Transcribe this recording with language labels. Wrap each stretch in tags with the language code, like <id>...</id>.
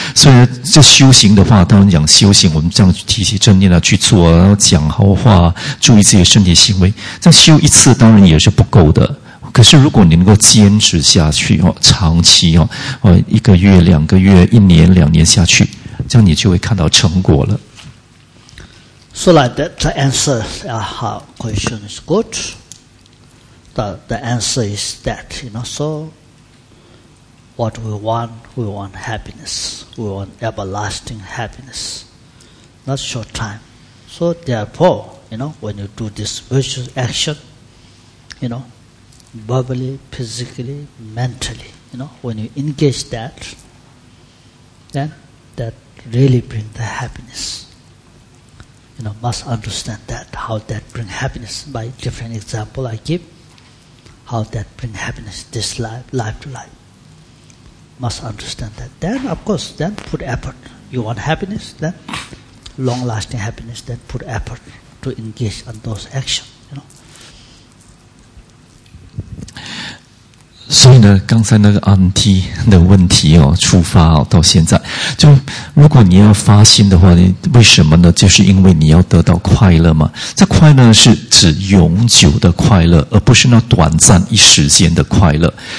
<zh>所以这修行的话，当然讲修行我们这样提起正念啊去做啊，讲好话，注意自己的身体行为，这修一次当然也是不够的。可是如果你能够坚持下去，长期一个月两个月一年两年下去，这样你就会看到成果了。</zh> <en>So like that, the answer how question is good. The answer is that, you know, so what we want happiness. We want everlasting happiness. Not short time. So therefore, you know, when you do this virtuous action, you knowverbally, physically, mentally, you know, when you engage that, then that really brings the happiness. You know, must understand that, how that brings happiness. By different example I give, how that brings happiness, this life, life to life. Must understand that. Then, of course, then put effort. You want happiness, then long-lasting happiness, then put effort to engage on those actions, you know.</en> <zh>所以呢，刚才那个 Aunty 的问题哦，出发哦，到现在，就如果你要发心的话，为什么呢？就是因为你要得到快乐嘛。这快乐是是永久的快乐，而不是那短暂一时间的快乐。</zh>